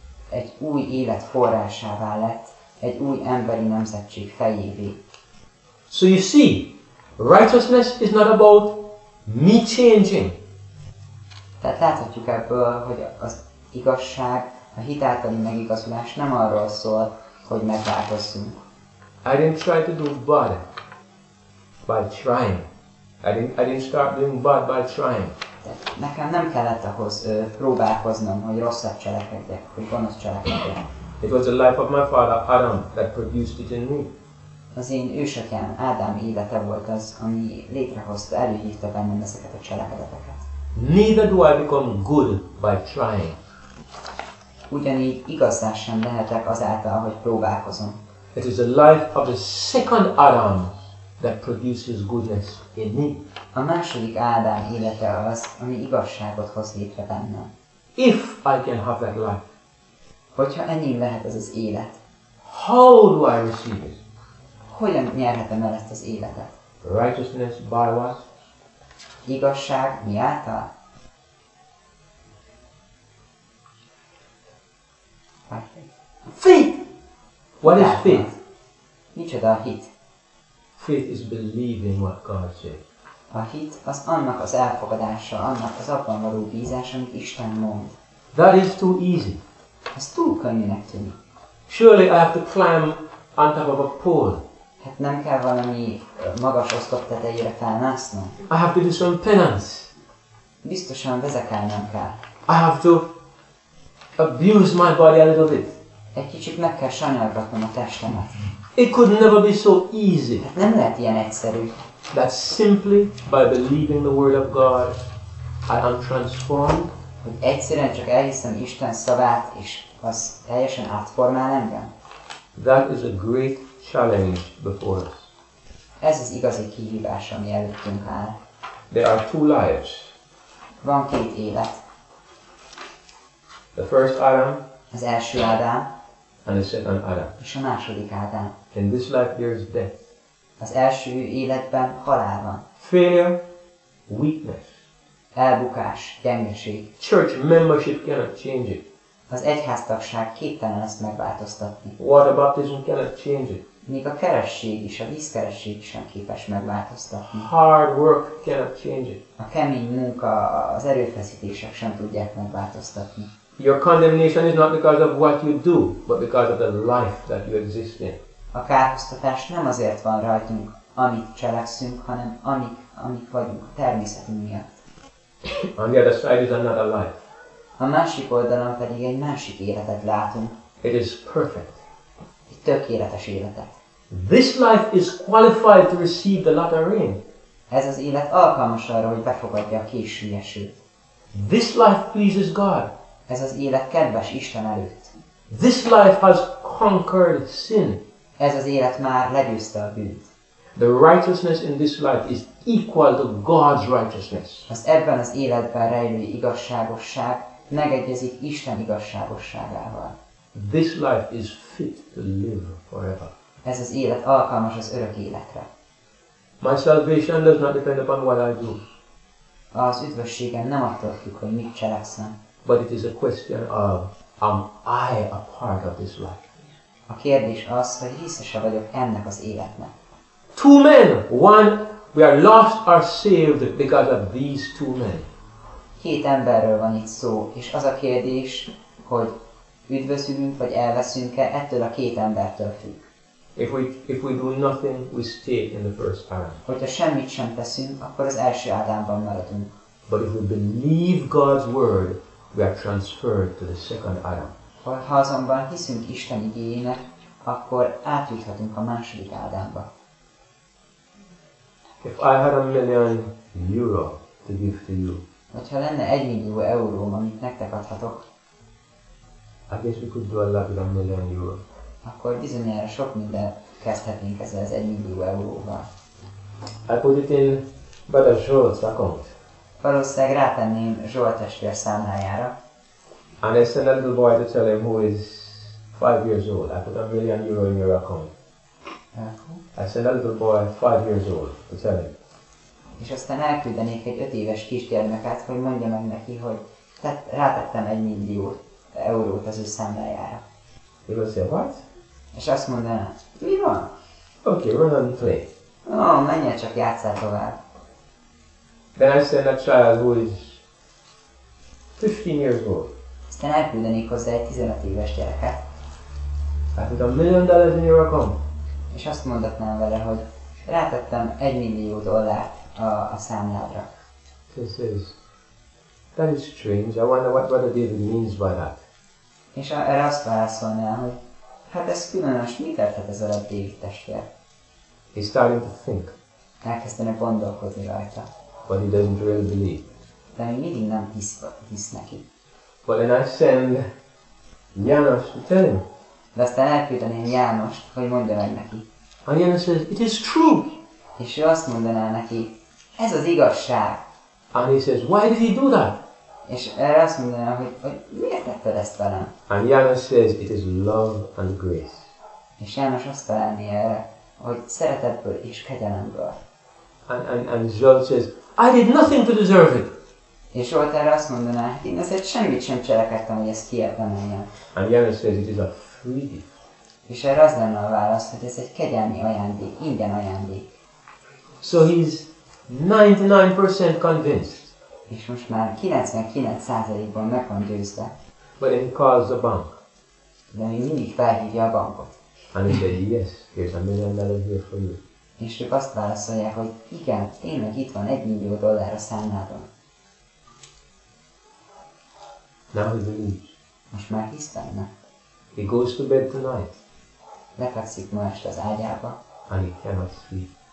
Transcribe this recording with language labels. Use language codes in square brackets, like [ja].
[hu] Egy új élet forrásává lett, egy új emberi nemzetség fejévé. [en] So you see, righteousness is not about me changing. [hu] Tehát láthatjuk ebből, hogy az igazság, a hit általi megigazulás nem arról szól, hogy megváltozzunk. [en] I didn't try to do bad by trying. I didn't start doing bad by trying. [hu] Nekem nem kellett ahhoz próbálkoznom, hogy rosszat cselekedjek, hogy gonosz cselekedjek. [en] It was the life of my father Adam that produced it in me. [hu] Az én ősökem Ádám élete volt az, ami létrehozta, előhívta bennem ezeket a cselekedeteket. [en] Neither do I become good by trying. [hu] Ugyanígy igazán sem lehetek azáltal, hogy próbálkozom. [en] It is the life of the second Adam that produces goodness in me. [hu] A második Ádám élete az, ami igazságot hoz létre bennem. [en] If I can have that life. [hu] Hogyha enyém lehet ez az élet. [en] How do I receive it? [hu] Hogyan nyerhetem el ezt az életet? [en] Righteousness by what? [hu] Igazság mi által? [en] Faith! What is faith? [hu] Micsoda a hit? [en] Faith is believing what God said. [hu] A hit az annak az elfogadása, annak az abban való bízása, amit Isten mond. [en] That is too easy. [hu] Ez túl könnyűnek tűnik. [en] Surely I have to climb on top of a pole. [hu] Hát nem kell valami magas oszlop tetejére felmásznom. [en] I have to do some penance. [hu] Biztosan vezekelnem kell. [en] I have to abuse my body a little bit. [hu] Egy kicsit meg kell sanyargatnom a testemet. [en] It could never be so easy. [hu] Hát nem lehet ilyen egyszerű. [en] That simply by believing the word of God, I am transformed. [hu] Hogy egyszerűen csak elhiszem Isten szavát, és az teljesen átformál engem. [en] That is a great challenge before us. [hu] Ez az igazi kihívás, ami előttünk áll. [en] There are two lives. [hu] Van két élet. [en] The first Adam. [hu] Az első Ádám. [en] And the second Adam. [hu] És a második Ádám. [en] In this life there is death. [hu] Az első életben halál van. [en] Failure, weakness. [hu] Elbukás, gyengeség. [en] Church membership cannot change it. [hu] Az egyháztagság képtelen ezt megváltoztatni. [en] Water baptism cannot change it. [hu] Még a keresség is, a vízkeresség sem képes megváltoztatni. [en] Hard work cannot change it. [hu] A kemény munka, az erőfeszítések sem tudják megváltoztatni. [en] Your condemnation is not because of what you do, but because of the life that you exist in. [hu] A kárhoztatás nem azért van rajtunk, amit cselekszünk, hanem amik vagyunk, a természetünk miatt. [en] On the other side is another life. [hu] A másik oldalon pedig egy másik életet látunk. [en] It is perfect. [hu] Egy tökéletes életet. [en] This life is qualified to receive the latter rain. [hu] Ez az élet alkalmas arra, hogy befogadja a késő esőt. [en] This life pleases God. [hu] Ez az élet kedves Isten előtt. [en] This life has conquered sin. [hu] Ez az élet már legyőzte a bűnt. [en] The righteousness in this life is equal to God's righteousness. [hu] Az ebben az életben rejlő igazságosság megegyezik Isten igazságosságával. [en] This life is fit to live forever. [hu] Ez az élet alkalmas az örök életre. [en] My salvation does not depend upon what I do. [hu] Az üdvösségem nem attól függ, hogy mit cselekszem. [en] But it is a question of, am I a part of this life? [hu] A kérdés az, hogy részese vagyok ennek az életnek. [en] Two men, one, we are lost or saved because of these two men. [hu] Két emberről van itt szó, és az a kérdés, hogy üdvözülünk vagy elveszünk-e, ettől a két embertől függ. [en] If we do nothing, we stay in the first Adam. [hu] Hogyha semmit sem teszünk, akkor az első Ádámban maradunk. [en] But if we believe God's word, we are transferred to the second Adam. [hu] Ha azonban hiszünk Isten igéjének, akkor átjuthatunk a második Ádámba. [en] If I had a million euro to give to you. [hu] Hogyha lenne 1 millió euróm, amit nektek adhatok. [en] I guess we could do a lot with a million euro. [hu] Akkor bizonyára sok mindent kezdhetnénk ezzel az 1 millió euróval. [en] I put it in Brother Zsolt's account. [hu] Valószínűleg rátenném Zsolt testvér számlájára. [en] And I send a little boy to tell him who is 5 years old. I put a million euro in your account. I send a little boy 5 years old to tell him. [hu] És aztán elküldenék egy 5 éves kisgyermeket, hogy mondja meg neki, hogy rátettem 1 millió eurót az ő számlájára. [en] He will say, what? [hu] És azt mondaná, mi van? [en] Okay, run and play. [hu] No, menjél csak, játsszál tovább. [en] Then I send a child who is 15 years old. [hu] Aztán elküldenék hozzá egy 15 éves gyereket. [en] I put a million dollars in your account. [hu] És azt mondatnám vele, hogy rátettem 1 millió dollárt a számládra. [en] He says, that is strange. I wonder what Brother David means by that. [hu] És erre azt válaszolnál, hogy hát ez különös, mit érthet ez a David testvér? [en] He's starting to think. [hu] Elkezdene gondolkodni rajta. [en] But he doesn't really believe. [hu] De még mindig nem hisz neki. [en] But then I send János to tell him. [hu] De aztán elküldeném Jánost, hogy mondja meg neki. [en] And János says, it is true. [hu] És ő azt mondaná neki, ez az igazság. [en] And he says, why did he do that? [hu] És erre azt mondaná, hogy miért tetted ezt velem? [en] And János says, it is love and grace. [hu] És János azt felelni erre, hogy szeretetből és kegyelemből. [en] And Zsolt says, I did nothing to deserve it. [hu] És Zsolt erre azt mondaná, én ezért semmit sem cselekedtem, hogy ezt kiérdemeljem. [en] And János says, it is a free gift. [hu] És erre az lenne a válasz, hogy ez egy kegyelmi ajándék, ingyen ajándék. [en] So he's 99% convinced. [hu] És most már 99%-ban meg van győzve. [en] But then he calls the bank. [hu] De még mindig felhívja a bankot. [en] And he said, yes, here's a million dollars here for you. [hu] És ők azt válaszolják, hogy igen, tényleg itt van 1 millió dollár a számládon. [en] Now he believes. [hu] Most már hisz benne. [en] He goes to bed tonight. [hu] Lefekszik ma este az ágyába. [en] And he cannot sleep.